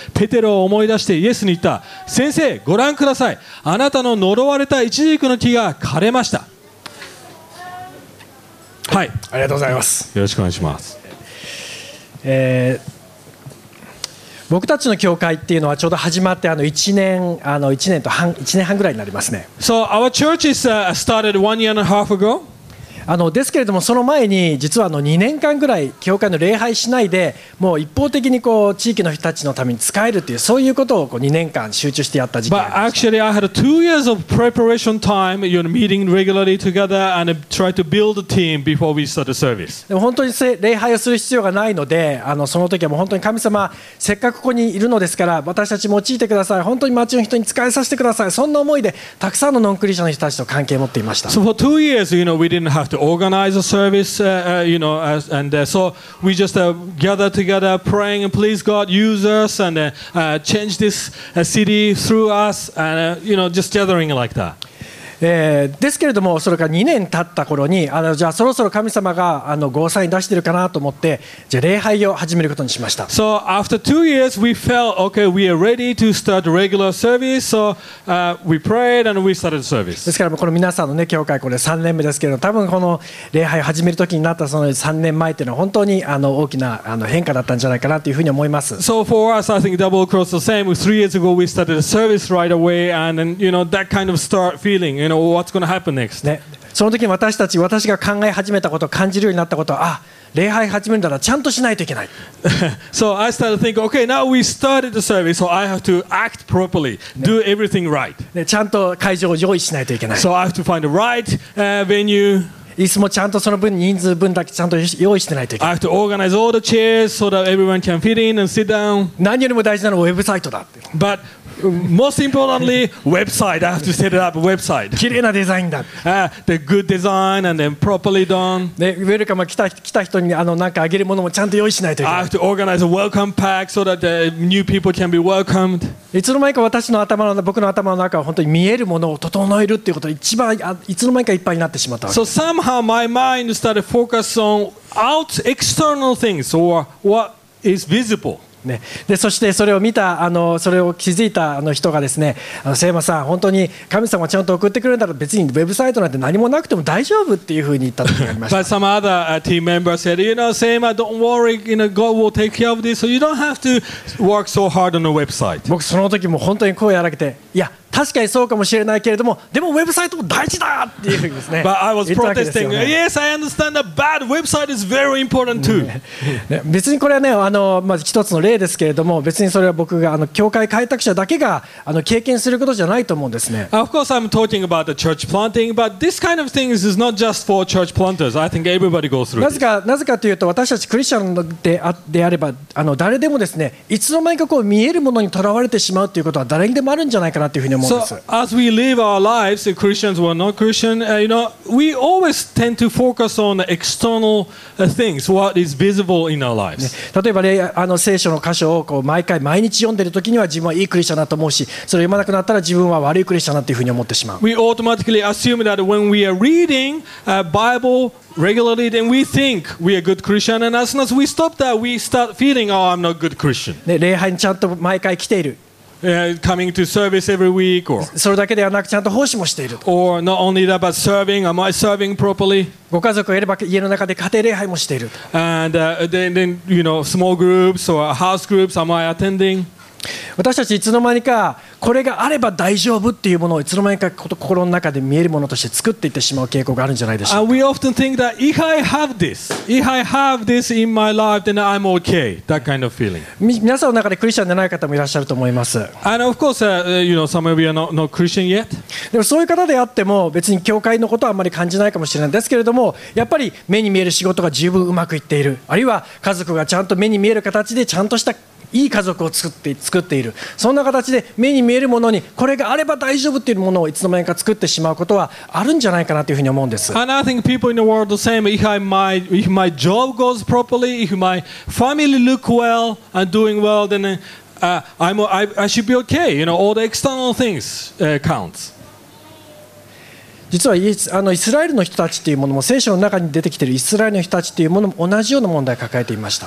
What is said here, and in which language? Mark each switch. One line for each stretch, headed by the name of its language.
Japanese: ペテロを思い出してイエスに言った。先生、ご覧ください、あなたの呪われた一軸の木が枯れました。はい、ありがとうございます。よろしくお願いします。僕たちの教会っていうのはちょうど始まって1年半ぐらいになりますね。
English: So our church is started 1 year and a half ago.
Japanese: ですけれども、その前に実は2年間ぐらい教会の礼拝しないで、もう一方的にこう地域の人たちのために使えるっていう、そういうことをこう2年間集中してやった時期がありました。
English: But actually, I had 2 years of preparation time, meeting regularly together and try to build a team before we start the service.
Japanese: でも本当に礼拝をする必要がないので、その時はもう本当に神様、せっかくここにいるのですから、私たち用いてください。本当に町の人に使えさせてください。そんな思いでたくさんのノンクリスチャンの人たちと関係を持っていました。
English: So for 2 years, we didn't have to organize a service, so we just gather together praying, and please God use us and change this city through us, and just gathering like that.
Japanese: ですけれども、それから2年経った頃に、じゃあそろそろ神様がゴーサイン出してるかなと思って、じゃあ礼拝を始めることにしました。
English: So after 2 years we felt okay, we are ready to start regular service. So we prayed and we started service.
Japanese: ですからこの皆さんのね、教会これ3年目ですけれども、多分この礼拝を始める時になったその3年前っていうのは本当に大きな変化だったんじゃないかなというふうに思います。
English: So for us, I think double across the same. 3 years ago we started a service right away, and then, that kind of start feelingWhat's going to happen next?
Japanese: ね、その時に私が考え始めたこと、感じるようになったこと、礼拝始めるならちゃんとしないといけない。
English: So I started thinking, okay, now we started the service, so I have to act properly, do everything right.
Japanese: ちゃんと会場を用意しないといけない。
English: So I have to find the right venue.
Japanese: 椅子もちゃんとその分、人数分だけちゃんと用意してないといけない。
English: I have to organize all the chairs so that everyone can fit in and sit down.
Japanese: 何よりも大事なのはウェブサイトだって。
English: But Most importantly, website. I have to set it up a website.
Japanese: 綺麗なデザインだ。
English: The good design and then properly done.
Japanese: ウェルカム来た人に何かあげるものもちゃんと用意しないといけない。
English: I have to organize a welcome pack so that the new people can be welcomed.
Japanese: いつの間にか私の頭の僕の頭の中は本当に見えるものを整えるっていうことで一番いつの間にかいっぱいになってしまったわけ。
English: So somehow my mind started focus on out external things or what is visible.
Japanese: ね、でそしてそれを見たそれを気づいた人がですね、瀬山さん本当に神様ちゃんと送ってくれたら別にウェブサイトなんて何もなくても大丈夫っていうふうに言った時がありました。
English: But some other team member said, you know, Seema, don't worry, you know, God will take care of this, so you don't have to work so hard on a website.
Japanese: 僕その時も本当に声を荒らげて、いや確かにそうかもしれないけれども、でもウェブサイトも大事だっていうふうにですね。
English: But I was protesting. Yes, I understand that bad website is very important too.
Japanese: 別にこれはね、まあ一つの例ですけれども、別にそれは僕が教会開拓者だけが経験することじゃないと思うんですね。
English: Of course, I'm talking about the church planting, but this kind of thing is not just for church planters. I think everybody goes through.
Japanese: なぜかというと、私たちクリスチャンであれば、誰でもですね、いつの間にかこう見えるものにとらわれてしまうということは誰にでもあるんじゃないかなというふうに。
English: So as we live our lives, Christians or not Christian, you know, we always tend to focus on the external things, what is visible in our lives.
Japanese: 例えば、ね、聖書の箇所をこう毎日読んでる時には自分はいいクリスチャンだと思うし、それを読まなくなったら自分は悪いクリスチャンだというふうに思ってしまう。
English: We automatically assume that when we are reading a Bible regularly, then we think we are good Christian, and as soon as we stop that, we start feeling, oh, I'm not good Christian.
Japanese: 礼拝にちゃんと毎回来ている。
English: Coming to service every week, or
Japanese: それだけではなくちゃんと奉仕もしていると
English: 。 Or not only that, but serving. Am I serving properly?
Japanese: ご家族がいれば家の中で家庭礼拝もしていると。
English: And then you know, small groups or house groups. Am I attending?
Japanese: 私たちいつの間にかこれがあれば大丈夫っていうものをいつの間にか心の中で見えるものとして作っていってしまう傾向があるんじゃないでしょうか。
English: We often think that if I have this in my life, then I'm okay. That kind of feeling.
Japanese: 皆さんの中でクリスチャンでない方もいらっしゃると思います。
English: And of course, you know, some of you are not Christian yet.
Japanese: でもそういう方であっても別に教会のことはあんまり感じないかもしれないですけれども、やっぱり目に見える仕事が十分うまくいっている、あるいは家族がちゃんと目に見える形でちゃんとしたいい家族を作っている。そんな形で目に見えるものにこれがあれば大丈夫っていうものをいつの間にか作ってしまうことはあるんじゃないかなというふうに思うんです。
English: And I think people in the world the same. If my job goes properly, if my family look well and doing well, then I should be okay. You know, all the external things counts.
Japanese: 実はイスラエルの人たちというものも聖書の中に出てきているイスラエルの人たちというものも同じような問題を抱えていました。